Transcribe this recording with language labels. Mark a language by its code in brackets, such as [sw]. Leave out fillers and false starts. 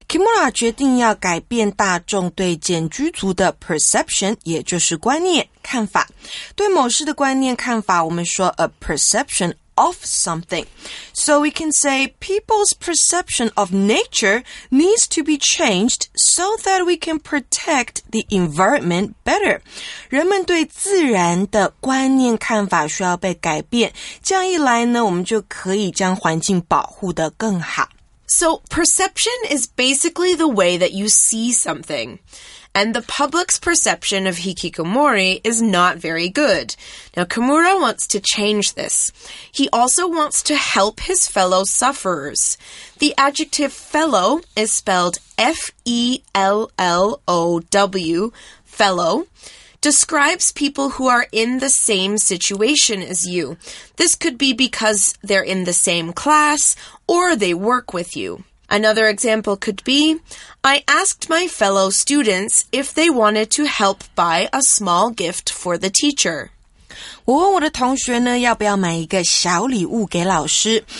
[zh] Kimura 决定要改变大众对简居族的 perception, 也就是观念。看法，对某事的观念看法，我们说 [en] a perception of something. So we can say people's perception of nature needs to be changed so that we can protect the environment better. [zh] 人们对自然的观念看法需要被改变，这样一来呢，我们就可以将环境保护得更好。 [en] So perception is basically the way that you see something. And the public's perception of hikikomori is not very good. Now, Kimura wants to change this. He also wants to help his fellow sufferers. The adjective fellow is spelled F-E-L-L-O-W, fellow, describes people who are in the same situation as you. This could be because they're in the same class or they work with you. Another example could be, I asked my fellow students if they wanted to help buy a small gift for the teacher. [zh] 我问我的同学呢，要不要买一个小礼物给老师。